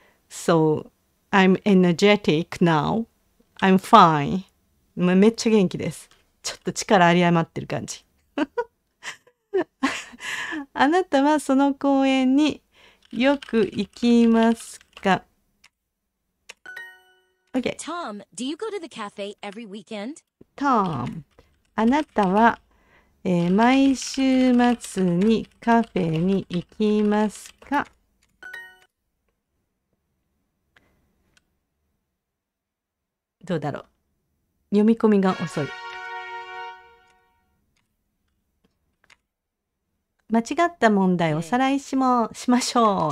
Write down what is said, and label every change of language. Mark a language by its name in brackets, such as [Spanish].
[English] So I'm energetic now. I'm fine. [Japanese] めっちゃ元気です。ちょっと力あり余ってる感じ。あなたはその公園によく行きますか? [English] Okay. Tom, do you go to the cafe every weekend? [Japanese] Tom, あなたは、毎週末にカフェに行きますか? どうだろう?読み込みが遅い。間違った問題をおさらいしましょう。